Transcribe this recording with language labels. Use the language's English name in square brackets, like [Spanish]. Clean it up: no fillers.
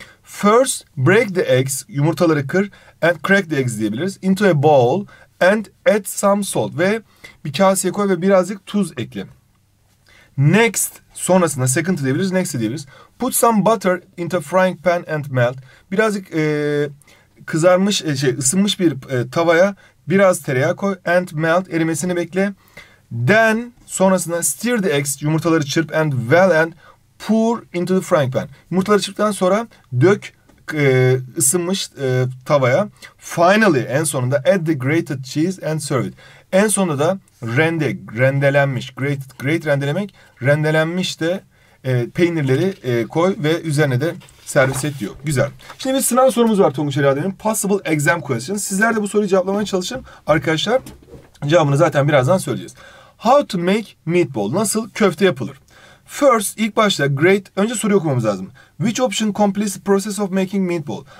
[English] First, break the eggs, [Turkish] yumurtaları kır, [English] and crack the eggs [Turkish] diyebiliriz, [English] into a bowl, and add some salt. [Turkish] Ve bir kaseye koy ve birazcık tuz ekle. Next, sonrasında second diyebiliriz, next diyebiliriz. [English] Put some butter into a frying pan and melt. [Turkish] Birazcık kızarmış, ısınmış bir tavaya biraz tereyağı koy, [English] and melt, [Turkish] erimesini bekle. [English] Then, [Turkish] sonrasında [English] stir the eggs, [Turkish] yumurtaları çırp, [English] and well, and pour into the frying pan. [Turkish] Yumurtaları çırptan sonra dök ısınmış tavaya. [English] Finally, [Turkish] en sonunda [English] add the grated cheese and serve it. [Turkish] En sonunda da rendelenmiş, grated rendelemek, rendelenmiş de peynirleri koy ve üzerine de servis et diyor. Güzel. Şimdi bir sınav sorumuz var Tonguç Eladen'in. [English] Possible exam questions. [Turkish] Sizler de bu soruyu cevaplamaya çalışın arkadaşlar. Cevabını zaten birazdan söyleyeceğiz. [English] How to make meatball? [Turkish] Nasıl köfte yapılır? First, ilk başta great, önce soru okumamız lazım. [English] Which option completes the process of making meatball?